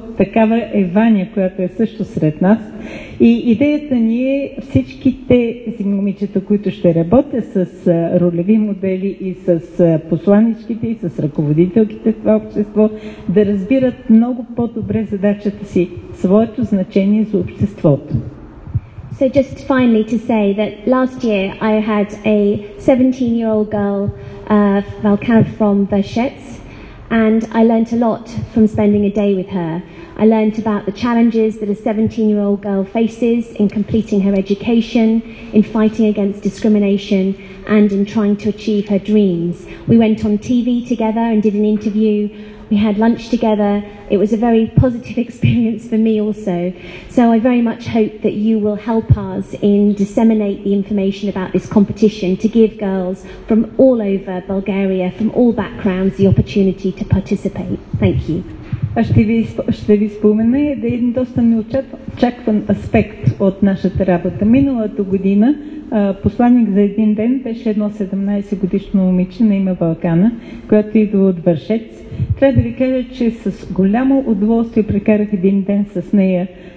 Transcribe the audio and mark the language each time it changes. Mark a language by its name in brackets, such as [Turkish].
[Bulgarian] Такава е Ваня, която е също сред нас. И идеята ни е всичките момичета, които ще работят с ролеви модели и с посланичките и с ръководителките в това общество, да разбират много по-добре задачата си, своето значение за обществото. [English] So just finally to say that last year I had a 17-year-old girl, Valkan from Verschets, and I learned a lot from spending a day with her. I learned about the challenges that a 17-year-old girl faces in completing her education, in fighting against discrimination, and in trying to achieve her dreams. We went on TV together and did an interview. We had lunch together. It was a very positive experience for me also. So I very much hope that you will help us in disseminate the information about this competition to give girls from all over Bulgaria, from all backgrounds, the opportunity to participate. Thank you. [Bulgarian] А ще ви спомена да един доста неочакван аспект от нашата работа. Миналата година посланник за един ден беше едно 17-годишно момиче на име Валкана, която идва от Вършец. Трябва да ви кажа, че с голямо удоволствие прекарах един ден с нея.